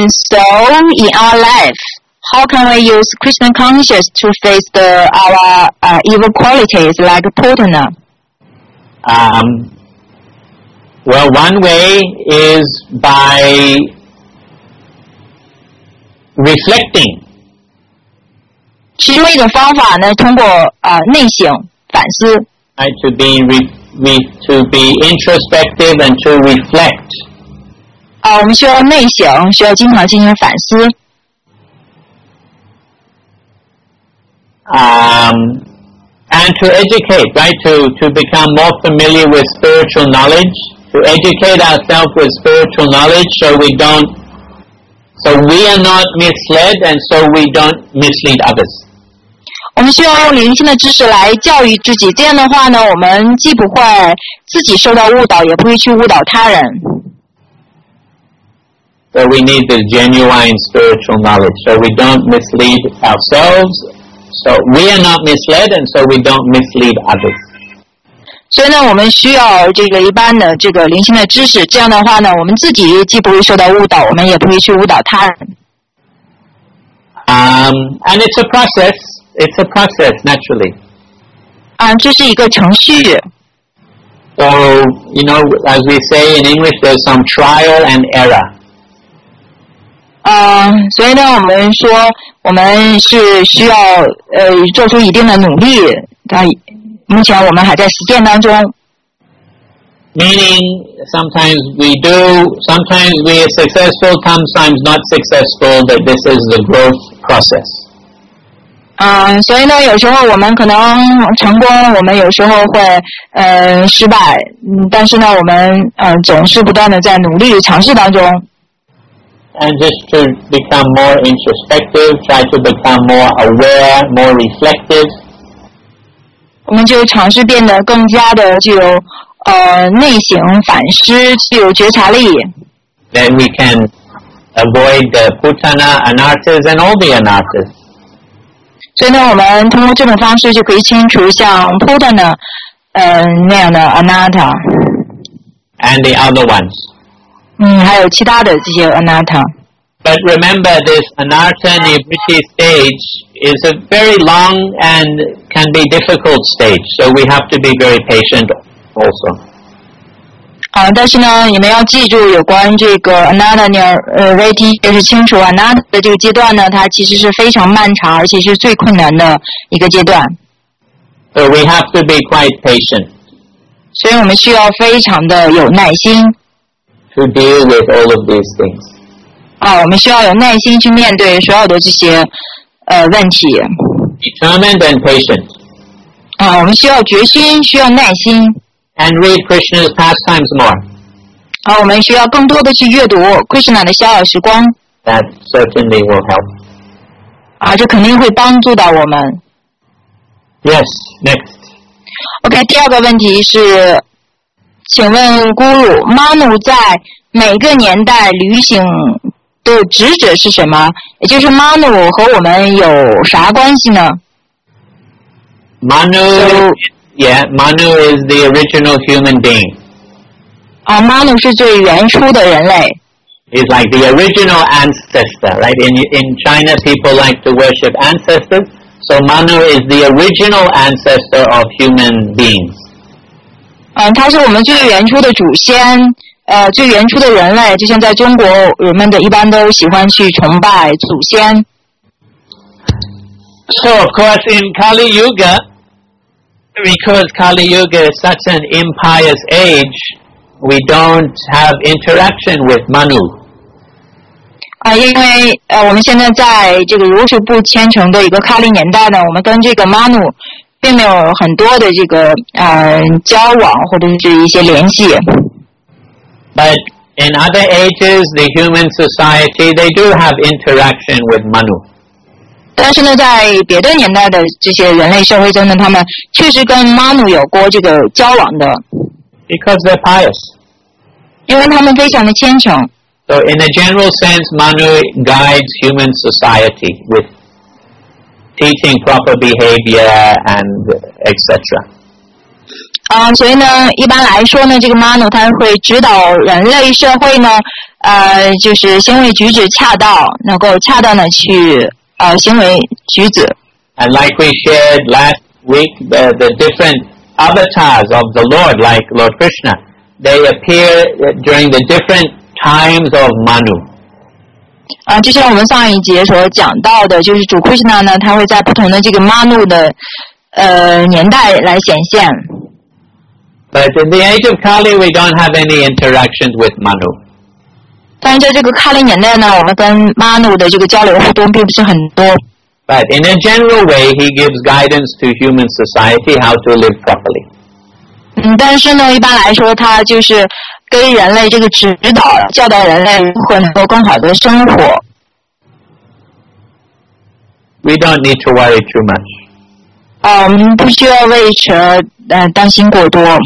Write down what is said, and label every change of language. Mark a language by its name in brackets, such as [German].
[English] So in our life, how can we use Krishna consciousness to face our evil qualities like Putana? Well, one way is by reflecting. [Chinese] 其中一种方法呢，通过内省反思。 [English] To be introspective and to reflect. [Chinese] 我们需要内省，需要经常进行反思。 [English] And to educate, right? To become more familiar with spiritual knowledge, to educate ourselves with spiritual knowledge, so we are not misled, and so we don't mislead others. [Chinese] 我们需要用灵性的知识来教育自己，这样的话呢，我们既不会自己受到误导，也不会去误导他人。 [English] So we need the genuine spiritual knowledge, so we don't mislead ourselves. So we are not misled, and so we don't mislead others. [Chinese] 所以呢，我们需要这个一般的这个灵性的知识，这样的话呢，我们自己既不会受到误导，我们也不会去误导他人。 [English] And it's a process. It's a process, naturally. [Chinese] 这是一个程序。 [English] So, you know, as we say in English, there's some trial and error. [Chinese] 所以呢，我们说我们是需要做出一定的努力。目前我们还在实践当中。 [English] Meaning, sometimes we do, sometimes we are successful, sometimes not successful, but this is the growth process. [Chinese] 所以呢，有时候我们可能成功，我们有时候会失败，但是呢，我们总是不断的在努力尝试当中。 [English] And just to become more introspective, try to become more aware, more reflective. [Chinese] 我们就尝试变得更加的具有内省反思，具有觉察力。 [English] Then we can avoid the putana anarthas and all the anarthas. [Chinese] 所以呢，我们通过这种方式就可以清除像 Putana 那样的 Anatta [English] and the other ones. [Chinese] 还有其他的这些 Anatta. [English] But remember, this Anatta in the Vritti stage is a very long and can be difficult stage. So we have to be very patient also. [Chinese] 但是呢，你们要记住有关这个 Anatta 那样Vritti 就是清除 Anatta 的这个阶段呢，它其实是非常漫长，而且是最困难的一个阶段。 [English] So we have to be quite patient. [Chinese] 所以我们需要非常的有耐心。 [English] To deal with all of these things. [Chinese] 我们需要有耐心去面对所有的这些问题。 [English] Determined and patient. [Chinese] 我们需要决心，需要耐心。 [English] And read Krishna's pastimes more. [Chinese] 我们需要更多的去阅读 Krishna 的逍遥时光。 [English] That certainly will help. [Chinese] 这肯定会帮助到我们。 [English] Yes, next. [Chinese] OK, 第二个问题是，请问 Guru, Manu 在每个年代旅行的职责是什么？也就是 Manu 和我们有啥关系呢？ [English] Manu... Yeah, Manu is the original human being. [Chinese] Manu 是最原初的人类。 [English] He's like the original ancestor, right? In China, people like to worship ancestors. So Manu is the original ancestor of human beings. [Chinese] 他是我们最原初的祖先，最原初的人类，就像在中国人们的一般都喜欢去崇拜祖先。 [English] So of course in Kali Yuga, because Kali Yuga is such an impious age, we don't have interaction with Manu. [Chinese] 因为我们现在在这个如是不虔诚的一个卡利年代呢，我们跟这个 Manu 并没有很多的这个交往或者是一些联系。 [English] But in other ages, the human society, they do have interaction with Manu. [Chinese] 但是呢，在别的年代的这些人类社会中呢，他们确实跟 Manu 有过这个交往的。 [English] Because they're pious. [Chinese] 因为他们非常的虔诚。 [English] So in a general sense, Manu guides human society with teaching proper behavior and etc. [Chinese] 所以呢，一般来说呢，这个 Manu 他会指导人类社会呢，就是行为举止恰当，能够恰当的去。行为举止。 [English] And like we shared last week, the different avatars of the Lord, like Lord Krishna, they appear during the different times of Manu. [Chinese] 就像我们上一节所讲到的，就是主 Krishna 呢，他会在不同的这个 Manu 的年代来显现。 [English] But in the age of Kali, we don't have any interactions with Manu. [Chinese] 但在这个卡利年代呢，我们跟 Manu 的这个交流互动并不是很多。 [English] But in a general way, he gives guidance to human society how to live properly. [Chinese] 但是呢，一般来说，他就是给人类这个指导，教导人类如何能够更好的生活。 [English] We don't need to worry too much. [Chinese] 我们不需要为此担心过多。